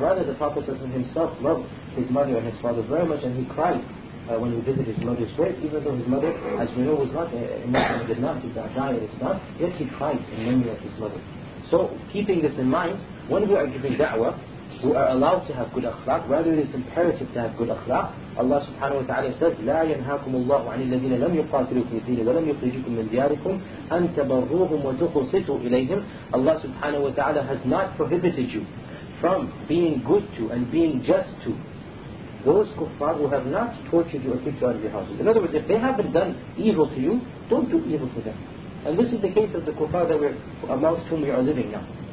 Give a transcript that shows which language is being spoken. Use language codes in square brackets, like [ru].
[en] Rather, the Prophet himself loved his mother and his father very much, and he cried when he visited his mother's grave, even though his mother, as we know, was not a Muslim, did not die in Islam, yet he cried in memory of his mother. So, keeping this in mind, when we are giving da'wah, we are allowed to have good akhlaq. Rather, it is imperative to have good akhlaq. [ar] Allah subhanahu wa ta'ala says, لَا يَنْهَاكُمُ اللَّهُ عَنِ الَّذِينَ لَمْ يُقَاتِلُكُمْ فِيهِ وَلَمْ يُخْرِجُكُمْ مِنْ دِيَارِكُمْ أَنْ تَبَرُّوهُمْ وَتُقْسِطُوا إِلَيْهِمْ. [en] Allah subhanahu wa ta'ala has not prohibited you from being good to and being just to those kuffar who have not tortured you or kicked you out of your houses. In other words, if they haven't done evil to you, don't do evil to them. And this is the case of the kuffar that we're amongst whom we are living now.